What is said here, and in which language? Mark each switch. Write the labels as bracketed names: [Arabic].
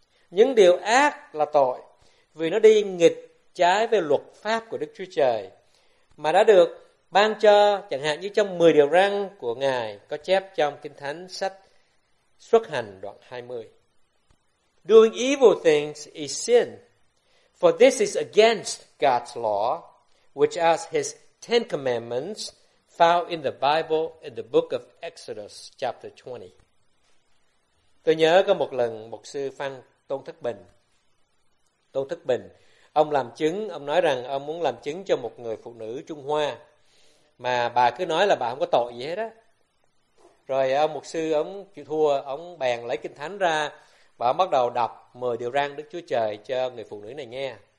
[Vietnamese] Những điều ác là tội vì nó đi nghịch trái với luật pháp của Đức Chúa Trời mà đã được ban cho, chẳng hạn như trong 10 điều răn của Ngài có chép trong Kinh Thánh sách Xuất Hành đoạn 20. [English] Doing evil things is sin, for this is against God's law, which are His Ten Commandments found in the Bible in the book of Exodus chapter 20. [Vietnamese] Tôi nhớ có một lần một sư Phan Tôn Thất Bình. Tôn Thất Bình, ông làm chứng, ông nói rằng ông muốn làm chứng cho một người phụ nữ Trung Hoa mà bà cứ nói là bà không có tội gì hết á. Rồi ông mục sư, ông chịu thua, ông bèn lấy Kinh Thánh ra và ông bắt đầu đọc 10 điều răn Đức Chúa Trời cho người phụ nữ này nghe.